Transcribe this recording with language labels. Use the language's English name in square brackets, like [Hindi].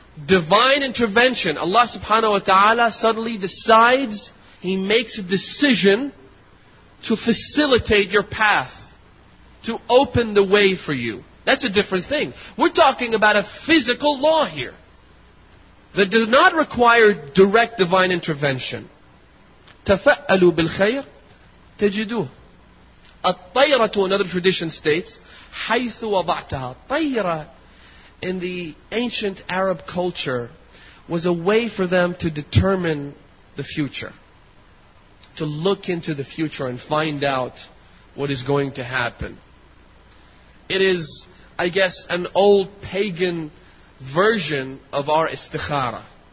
[English] divine intervention, Allah subhanahu wa ta'ala suddenly decides, He makes a decision to facilitate your path, to open the way for you. That's a different thing. We're talking about a physical law here that does not require direct divine intervention. [Arabic] تَفَأَلُوا بِالْخَيْرِ تَجِدُوهُ الطَّيْرَةُ, [English] another tradition states, [Arabic] حَيْثُ وَضَعْتَهَا. [English] طَيْرَة in the ancient Arab culture was a way for them to determine the future, to look into the future and find out what is going to happen. It is, I guess, an old pagan version of our istikhara.